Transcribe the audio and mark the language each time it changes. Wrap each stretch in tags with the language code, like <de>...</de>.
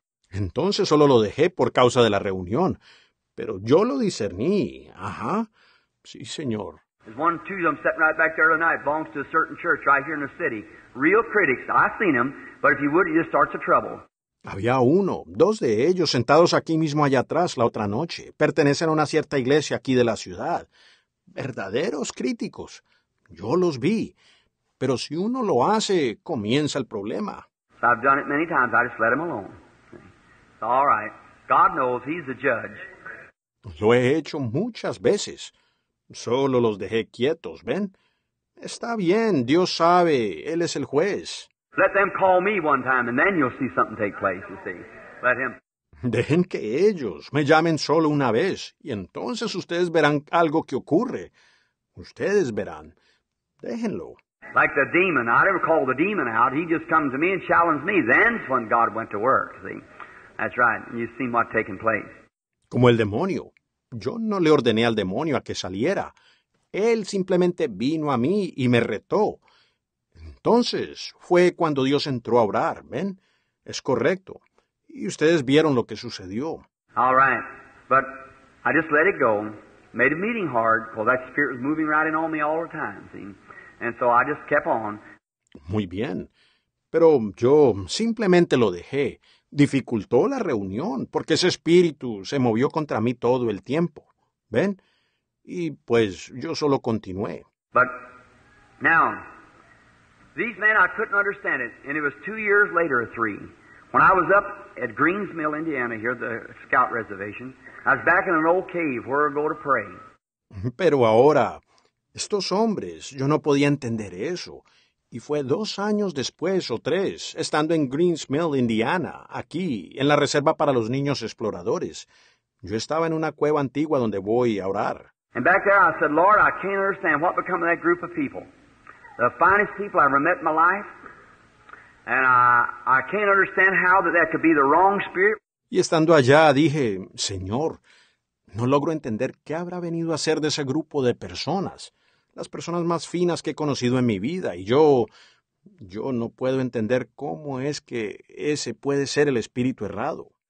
<es>Entonces solo lo dejé por causa de la reunión, pero yo lo discerní. Ajá, sí, señor.</es> <en>There's one or two of them sitting right back there tonight, belongs to a certain church right here in the city. Real critics, I've seen them, but if you would, it just starts a trouble.</en> <es>Había uno, dos de ellos sentados aquí mismo allá atrás la otra noche. Pertenecen a una cierta iglesia aquí de la ciudad. Verdaderos críticos. Yo los vi. Pero si uno lo hace, comienza el problema.</es> <en>I've done it many times. I just let him alone. It's all right. God knows he's the judge.</en> <es>Lo he hecho muchas veces. Solo los dejé quietos, ¿ven? Está bien, Dios sabe, él es el juez.</es> <en>Let them call me one time, and then you'll see something take place, you see. Let him.</en> <es>Dejen que ellos me llamen solo una vez, y entonces ustedes verán algo que ocurre. Ustedes verán. Déjenlo.</es> <en>Like the demon. I never call the demon out. He just comes to me and challenges me. Then's when God went to work, see. That's right. And you've seen what's taking place.</en> <es>Como el demonio. Yo no le ordené al demonio a que saliera. Él simplemente vino a mí y me retó. Entonces, fue cuando Dios entró a obrar, ¿ven? Es correcto. Y ustedes vieron lo que sucedió.</es> <en>All right. But I just let it go. Made a meeting hard. Well, that spirit was moving right in on me all the time, see? And so I just kept on.</en> <es>Muy bien. Pero yo simplemente lo dejé. Dificultó la reunión porque ese espíritu se movió contra mí todo el tiempo, ¿ven? Y pues yo solo continué.</es> <en>But now... These men, I couldn't understand it, and it was 2 years later, or three, when I was up at Green's Mill, Indiana, here at the Scout Reservation, I was back in an old cave where I go to pray.</en> <es>Pero ahora, estos hombres, yo no podía entender eso, y fue 2 años después, o tres, estando en Green's Mill, Indiana, aquí, en la Reserva para los Niños Exploradores, yo estaba en una cueva antigua donde voy a orar.</es> <en>And back there, I said, Lord, I can't understand what become of that group of people. The finest people I ever met in my life, and I can't understand how that could be the wrong spirit.</en> <es>Y estando allá, dije, Señor, no logro entender qué habrá venido a ser de ese grupo de personas. las personas más finas que he conocido en mi vida. Y yo no puedo entender cómo es que ese puede ser el espíritu errado.</es>